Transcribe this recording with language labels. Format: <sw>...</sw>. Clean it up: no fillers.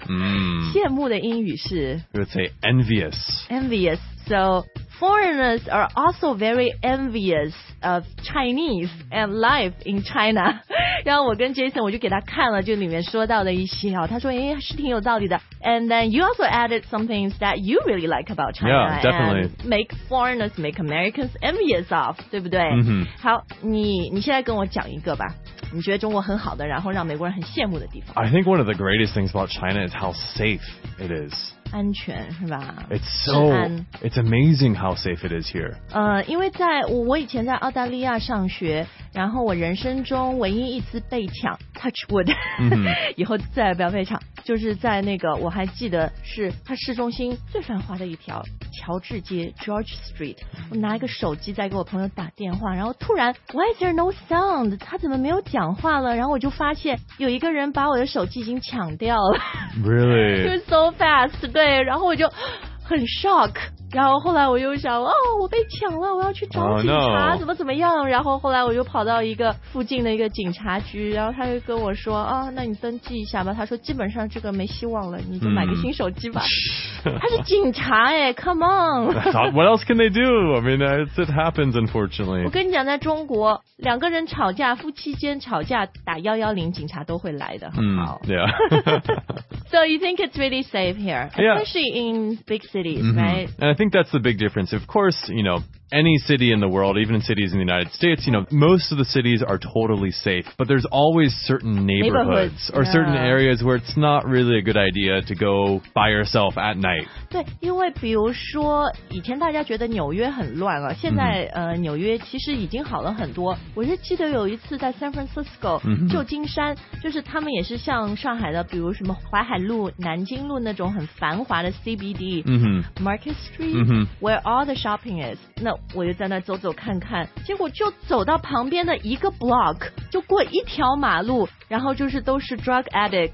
<zh>嗯，羡慕的英语是</zh> <en>would say envious. Envious. So foreigners are also very envious of Chinese and life in China.</en> <zh>然后我跟 Jason 我就给他看了，就里面说到的一些啊，他说哎是挺有道理的。</zh> <en>And then you also added some things that you really like about China. Yeah, definitely. And make foreigners, make Americans envious of,</en> <zh>对不对？嗯、mm-hmm. 好，你现在跟我讲一个吧。你觉得中国很好的，然后让美国人很羡慕的地方。</zh> <en>I think one of the greatest things about China is how safe it is.</en> <zh>安全是吧？</zh> <en>It's amazing how safe it is here.</en> <zh>因为在我以前在澳大利亚上学，然后我人生中唯一一次被抢 ，</zh> <en>touch wood，、 mm-hmm.</en> <zh>以后再也不要被抢。就是在那个我还记得是它市中心最繁华的一条乔治街 George Street， 我拿一个手机在给我朋友打电话，然后突然</zh> <en>Why is there no sound？</en> <zh>他怎么没有讲话了？然后我就发现有一个人把我的手机已经抢掉了。</zh> <en>Really？ It was so fast，</en> <zh>对，然后我就很 shock。然后后来我又想哦我被抢了，我要去找警察、</zh> <en>oh, no.</en> <zh>怎么怎么样，然后后来我又跑到一个附近的一个警察局，然后他就跟我说啊、哦、那你登记一下吧，他说基本上这个没希望了，你就买个新手机吧、 mm. 他是警察耶</zh> <en>come on what else can they do I mean it happens unfortunately</en> <zh>我跟你讲在中国两个人吵架夫妻间吵架打110警察都会来的、 mm. 好</zh> <en>yeah so you think it's really safe here especially in big cities、 mm-hmm. right I think that's the big difference. Of course, you know, any city in the world, even in cities in the United States, you know, most of the cities are totally safe. But there's always certain neighborhoods or certain areas where it's not really a good idea to go by yourself at night.</en> <zh>对，因为比如说以前大家觉得纽约很乱了，现在、mm-hmm. 纽约其实已经好了很多。我是记得有一次在 San Francisco， 旧金山， mm-hmm. 就是他们也是像上海的，比如什么淮海路、南京路那种很繁华的 CBD、 mm-hmm. Market Street、mm-hmm.</zh> <en>where all the shopping is.</en> <zh>那我就在那走走看看，结果就走到旁边的一个 block， 就过一条马路，然后就是都是 drug addict，、</zh>